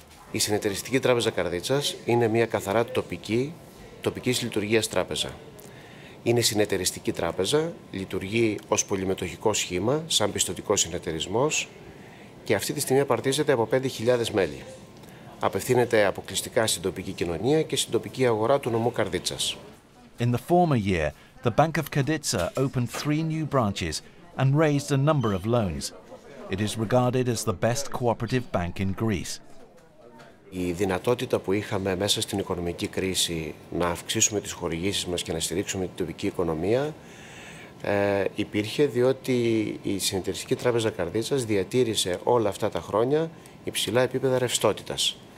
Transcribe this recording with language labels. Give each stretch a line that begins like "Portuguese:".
Greek: Η Συνεταιριστική Τράπεζα Καρδίτσας είναι μια καθαρά τοπικής λειτουργίας τράπεζα. Είναι συνεταιριστική τράπεζα, λειτουργεί ως πολυμετοχικό σχήμα, σαν πιστωτικό συνεταιρισμός και αυτή τη στιγμή απαρτίζεται από 5.000 μέλη. Απευθύνεται αποκλειστικά στην τοπική κοινωνία και στην τοπική αγορά του νομού Καρδίτσας.
English: In the former year, the Bank of Kadytsa opened 3 new branches and raised a number of loans. It is regarded as the best cooperative bank in Greece.
Greek: Η δυνατότητα που είχαμε μέσα στην οικονομική κρίση να αυξήσουμε τις χορηγήσεις μας και να στηρίξουμε την τοπική οικονομία υπήρχε διότι η Συνεταιριστική Τράπεζα Καρδίτσας διατήρησε όλα αυτά τα χρόνια υψηλά επίπεδα ρευστότητας.